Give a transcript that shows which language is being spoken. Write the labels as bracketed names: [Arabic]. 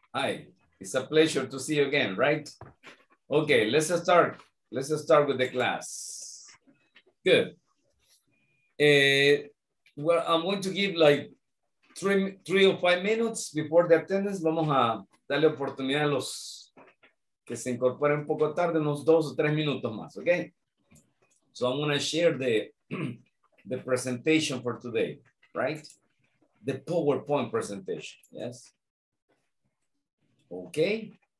[English] Hi, it's a pleasure to see you again, right? Okay, let's start. Let's start with the class. Good. Well, I'm going to give like three or five minutes before the attendance. [Spanish] Vamos a darle oportunidad a los que se incorporen un poco tarde, unos dos o tres minutos más, okay? [English] So I'm going to share the presentation for today, right? The PowerPoint presentation, yes? Okay.